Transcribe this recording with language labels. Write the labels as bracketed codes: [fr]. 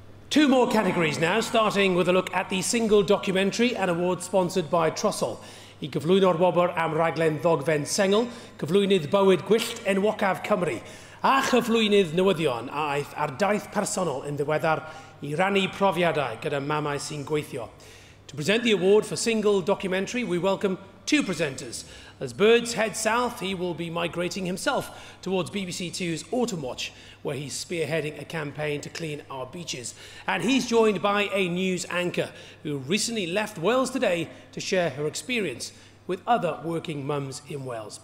[en] Two more categories now, starting with a look at the single documentary, an award sponsored by Trossel. [cy] I gyflwyno'r wobr am raglen ddogfen sengl, gyflwynydd bywyd gwyllt enwocaf Cymru, a chyflwynydd newyddion a aeth ar daith personol yn ddiweddar i rannu profiadau gyda mamau sy'n gweithio. [en] To present the award for single documentary, we welcome two presenters. As birds head south, he will be migrating himself towards BBC Two's Autumn Watch, where he's spearheading a campaign to clean our beaches. And he's joined by a news anchor who recently left Wales Today to share her experience with other working mums in Wales.